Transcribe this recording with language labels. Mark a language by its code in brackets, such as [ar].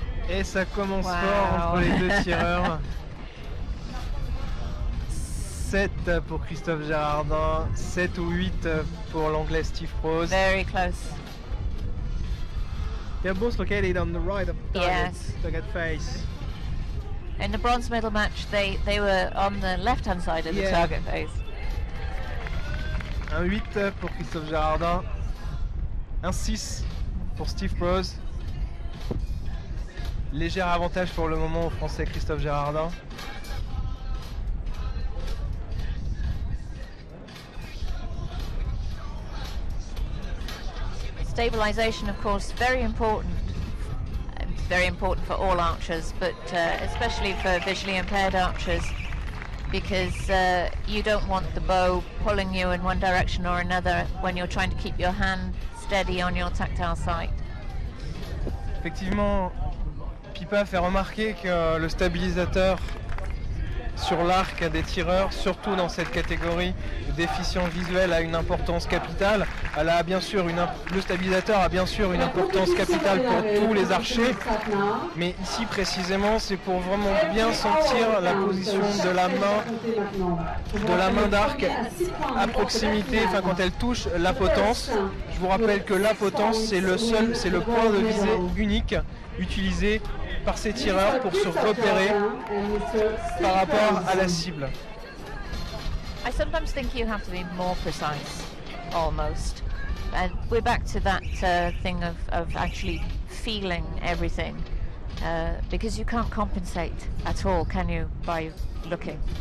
[fr] Et ça commence fort entre les deux tireurs. 7 pour Christophe Gérardin, 7 ou 8 pour l'Anglais Steve Prose. [en] Very close. They're both located on the right of the target face. In the bronze medal match, they were on the left-hand side of the target face. [fr] Un 8 pour Christophe Gérardin, un 6 pour Steve Prose. Léger avantage pour le moment au Français Christophe Gérardin. [en] Stabilization, of course, very important. It's very important for all archers, but especially for visually impaired archers, because you don't want the bow pulling you in one direction or another when you're trying to keep your hand steady on your tactile sight. [fr] Effectivement. Pipa fait remarquer que le stabilisateur sur l'arc des tireurs, surtout dans cette catégorie de déficient visuel, a une importance capitale. Elle a bien sûr le stabilisateur a bien sûr une importance capitale pour tous les archers, mais ici précisément c'est pour vraiment bien sentir la position de la main d'arc à proximité, enfin quand elle touche la potence. Je vous rappelle que la potence c'est le point de visée unique utilisé par ces tireurs pour se repérer par rapport à la cible. [en] I sometimes think you have to be more precise, almost. And we're back to that thing of actually feeling everything, because you can't compensate at all, can you, by looking?